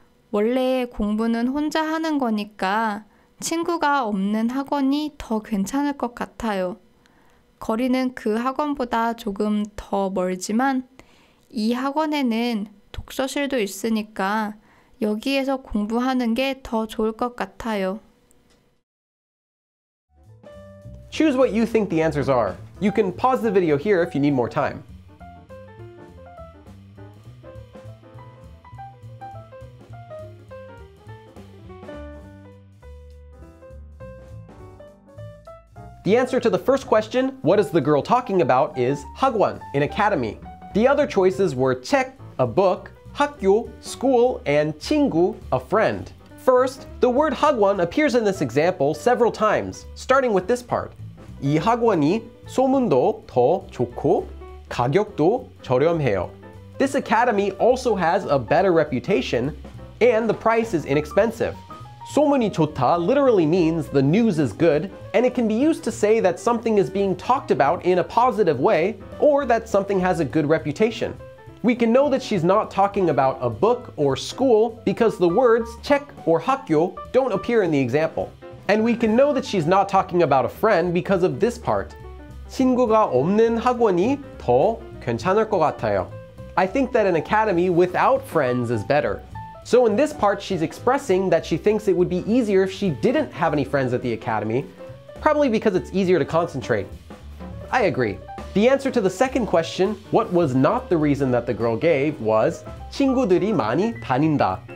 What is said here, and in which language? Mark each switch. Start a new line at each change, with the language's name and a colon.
Korean: 원래 공부는 혼자 하는 거니까 친구가 없는 학원이 더 괜찮을 것 같아요. 거리는 그 학원보다 조금 더 멀지만 이 학원에는 독서실도 있으니까 여기에서 공부하는 게 더 좋을 것 같아요.
English: Choose what you think the answers are. You can pause the video here if you need more time. The answer to the first question, what is the girl talking about, is 학원, an academy. The other choices were 책, a book, 학교, school, and 친구, a friend. First, the word 학원 appears in this example several times, starting with this part.
Korean: 이 학원이 소문도 더 좋고 가격도 저렴해요.
English: This academy also has a better reputation, and the price is inexpensive.
Korean: 소문이 좋다
English: literally means the news is good, and it can be used to say that something is being talked about in a positive way, or that something has a good reputation. We can know that she's not talking about a book or school because the words 책 or 학교 don't appear in the example. And we can know that she's not talking about a friend because of this part.
Korean: 친구가 없는 학원이 더 괜찮을 것 같아요.
English: I think that an academy without friends is better. So in this part, she's expressing that she thinks it would be easier if she didn't have any friends at the academy, probably because it's easier to concentrate. I agree. The answer to the second question, what was not the reason that the girl gave, was
Korean: 친구들이 많이 다닌다.